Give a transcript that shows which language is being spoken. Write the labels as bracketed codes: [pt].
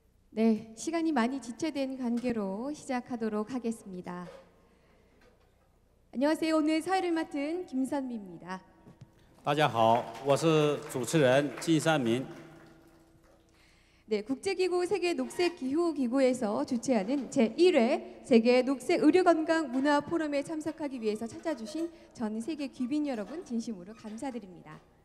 [ko] 네, 시간이 많이 지체된 관계로 시작하도록 하겠습니다. 안녕하세요. 오늘 사회를 맡은 김선미입니다. [zh] 大家好，我是主持人金三明。 [ko] 네, 국제기구 세계녹색기후기구에서 주최하는 제1회 세계녹색의료건강문화포럼에 참석하기 위해서 찾아주신 전 세계 귀빈 여러분 진심으로 감사드립니다.